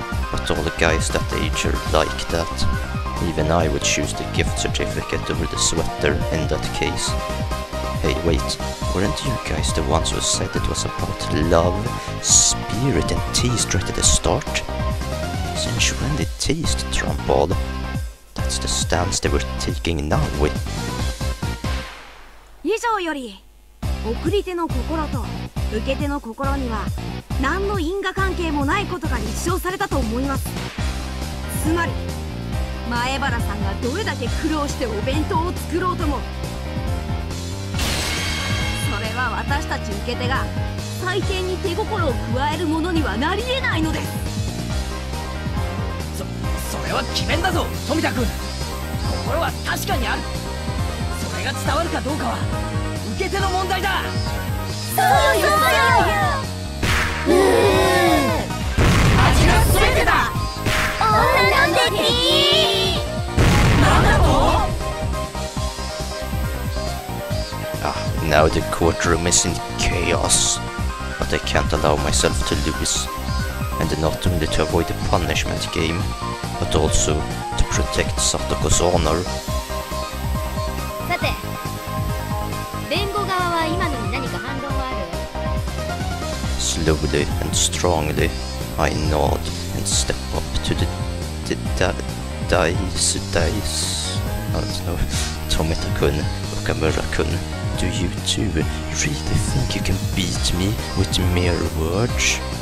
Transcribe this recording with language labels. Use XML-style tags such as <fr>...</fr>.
<en>But all the guys that age are like that. Even I would choose the gift certificate over the sweater in that case. Hey, wait, weren't you guys the ones who said it was about love, spirit, and taste right at the start? Since when did taste trump all? that's the stance they were taking now with.</en> <ja>以上より、送り手の心と受け手の心には何の因果関係もないことが立証されたと思います。つまり、前原さんがどれだけ苦労してお弁当を作ろうとも、それは私たち受け手が採点に手心を加えるものにはなり得ないのです。それは奇弁だぞ、富田君。心は確かにある。それが伝わるかどうかは受け手の問題だ。そうよ、そうよ。味が全てだ。女なんて敵。なんだと。</ja> <en>Now the courtroom is in chaos, but I can't allow myself to lose, and not only to avoid the punishment game, but also to protect Satoko's honor.</en> <ja>さて、弁護側は今のに何か反論はある？</ja> <en>Slowly and strongly, I nod and step up to the dice, Tomita-kun, Okamura-kun. Do you two really think you can beat me with mere words?</en>